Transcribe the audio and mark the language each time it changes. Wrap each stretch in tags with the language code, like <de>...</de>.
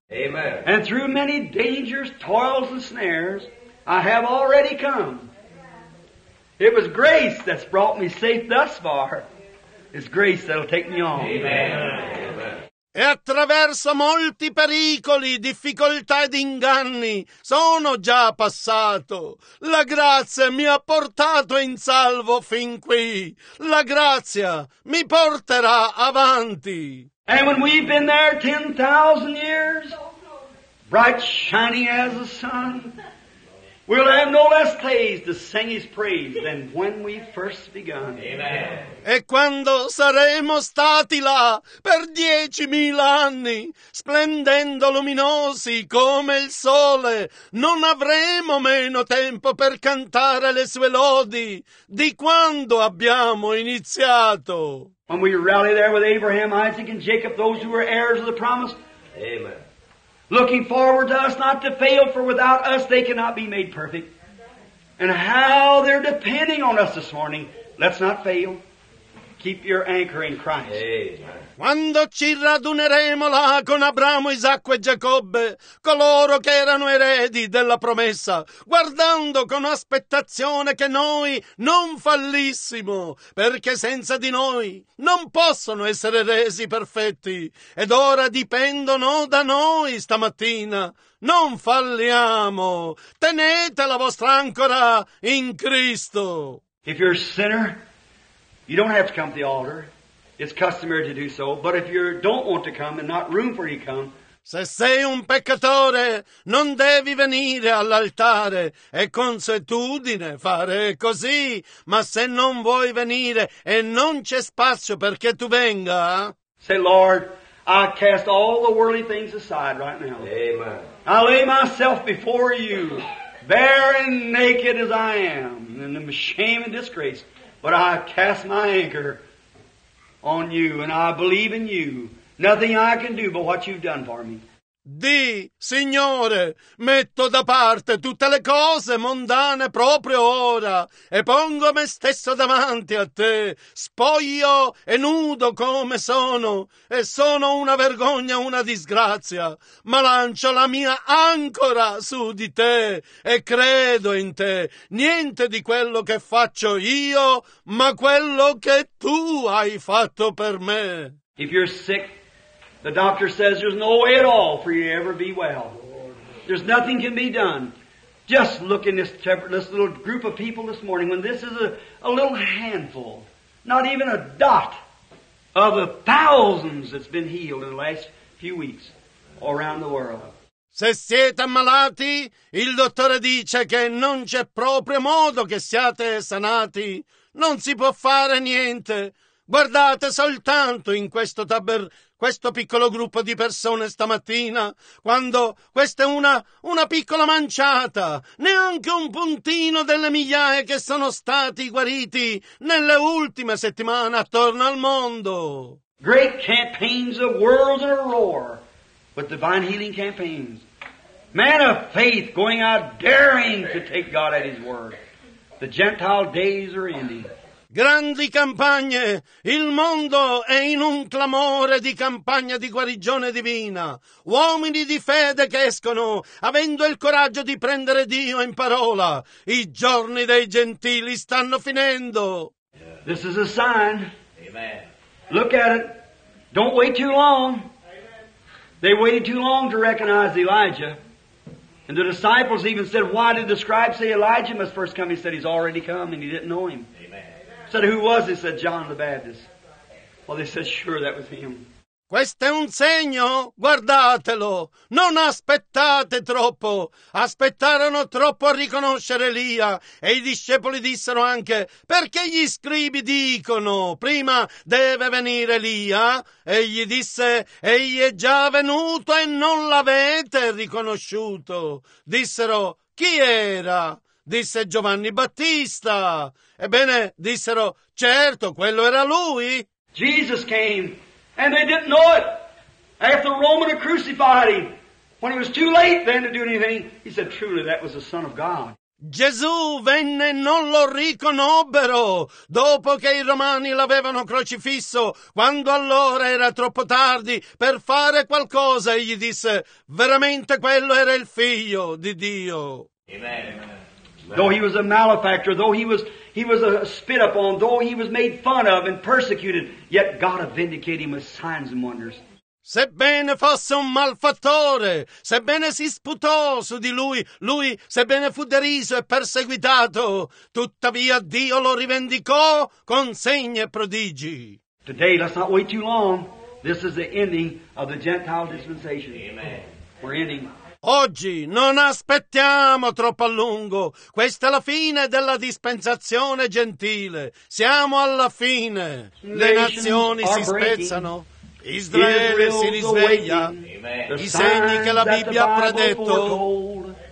<en>Amen. And through many dangers, toils and snares, I have already come. It was grace that's brought me safe thus far. It's grace that'll take me on. Amen.</en> <it>E attraverso molti pericoli, difficoltà ed inganni sono già passato. La grazia mi ha portato in salvo fin qui. La grazia mi porterà avanti.</it> <en>And when we've been there 10,000 years, bright shining as the sun, we'll have no less taste to sing His praise than when we first begun. Amen.</en> <it>E quando saremo stati là per 10,000 anni, splendendo luminosi come il sole, non avremo meno tempo per cantare le sue lodi di quando abbiamo iniziato.</it> <en>When we rally there with Abraham, Isaac and Jacob, those who were heirs of the promise. Amen. Looking forward to us not to fail, for without us they cannot be made perfect. And how they're depending on us this morning. Let's not fail. Keep your anchor in Christ. Amen.</en> <it>Quando ci raduneremo là con Abramo, Isacco e Giacobbe, coloro che erano eredi della promessa, guardando con aspettazione che noi non fallissimo, perché senza di noi non possono essere resi perfetti, ed ora dipendono da noi stamattina. Non falliamo, tenete la vostra ancora in Cristo.</it> <en>If you're a sinner, you don't have to come to the altar. It's customary to do so, but if you don't want to come and not room for you to come.</en> <it>Se sei un peccatore, non devi venire all'altare. È consuetudine fare così, ma se non vuoi venire e non c'è spazio perché tu venga.</it> <en>Say, Lord, I cast all the worldly things aside right now. Amen. I lay myself before you, bare and naked as I am, and in shame and disgrace, but I cast my anchor on you, and I believe in you. Nothing I can do but what you've done for me.</en> <it>Di, Signore, metto da parte tutte le cose mondane proprio ora e pongo me stesso davanti a te, spoglio e nudo come sono, e sono una vergogna, una disgrazia, ma lancio la mia ancora su di te e credo in te, niente di quello che faccio io, ma quello che tu hai fatto per me.</it> <en>If you're sick, the doctor says there's no way at all for you to ever be well. There's nothing can be done. Just look in this little group of people this morning when this is a little handful, not even a dot, of the thousands that's been healed in the last few weeks around the world.</en> <it>Se siete ammalati, il dottore dice che non c'è proprio modo che siate sanati. Non si può fare niente. Guardate soltanto in questo piccolo gruppo di persone stamattina, quando questa è una piccola manciata, neanche un puntino delle migliaia che sono stati guariti nelle ultime settimane attorno al mondo.</it> <en>Great campaigns of worlds in a roar with divine healing campaigns. Man of faith going out daring to take God at his word. The Gentile days are ending.</en> <it>Grandi campagne, il mondo è in un clamore di campagna di guarigione divina. Uomini di fede che escono, avendo il coraggio di prendere Dio in parola. I giorni dei gentili stanno finendo.</it> <en>This is a sign. Amen. Look at it. Don't wait too long. Amen. They waited too long to recognize Elijah. And the disciples even said, why did the scribe say Elijah must first come? He said he's already come and he didn't know him. Said, who was it? Said, John the Baptist. Well, they said, sure, that was him.</en> <it>Questo è un segno, guardatelo. Non aspettate troppo. Aspettarono troppo a riconoscere Elia. E i discepoli dissero anche, perché gli scribi dicono, prima deve venire Elia? Egli disse, egli è già venuto e non l'avete riconosciuto. Dissero, chi era? Disse Giovanni Battista. Ebbene, dissero, certo, quello era lui.</it> <en>Jesus came, and they didn't know it. After the Roman had crucified him, when it was too late then to do anything, he said, truly, that was the Son of God.</en> <it>Gesù venne e non lo riconobbero dopo che i romani l'avevano crocifisso, quando allora era troppo tardi per fare qualcosa, egli disse, veramente quello era il figlio di Dio.</it> <en>Amen. Though he was a malefactor, though he was a spit upon, though he was made fun of and persecuted, yet God had vindicated him with signs and wonders.</en> <it>Sebbene fosse un malfattore, sebbene si sputò su di lui, sebbene fu deriso e perseguitato, tuttavia Dio lo rivendicò con segni e prodigi.</it> <en>Today, let's not wait too long. This is the ending of the Gentile dispensation. Amen. We're ending.</en> <it>Oggi non aspettiamo troppo a lungo. Questa è la fine della dispensazione gentile. Siamo alla fine. Le nazioni si spezzano. Israele si risveglia. I segni che la Bibbia ha predetto.</it>